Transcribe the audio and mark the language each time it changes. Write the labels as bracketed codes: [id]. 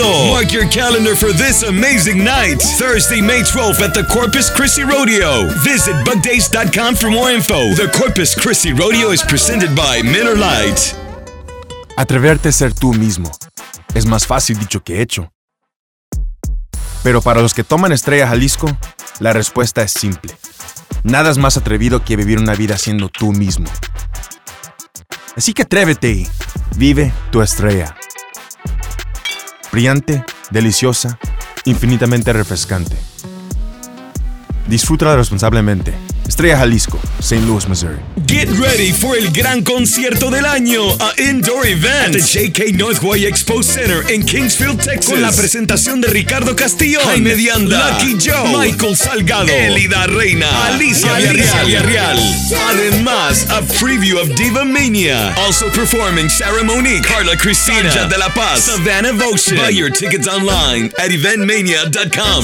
[en] Mark your calendar for this amazing night, Thursday, May 12th at the Corpus Christi Rodeo. Visit bugdays.com for more info. The Corpus Christi Rodeo is presented by Miller Lite. [es] Atreverte a ser tú mismo es más fácil dicho que hecho. Pero para los que toman Estrella Jalisco, la respuesta es simple. Nada es más atrevido que vivir una vida siendo tú mismo. Así que atrévete y vive tu estrella. Brillante, deliciosa, infinitamente refrescante. Disfrútala responsablemente. Estrella Jalisco, St. Louis, Missouri. [en] Get ready for [es] el gran concierto del año, [en] a indoor event at the J.K. Northway Expo Center in Kingsfield, Texas. [es] Con la presentación de [en] Ricardo Castillo, Jaime Dianda, Lucky Joe, Michael Salgado, Elida Reina, Alicia Villarreal. Además, a preview of Diva Mania. Also performing Sarah Monique, Carla Cristina, Sanja de la Paz, Savannah Voshin. Buy your tickets online at eventmania.com.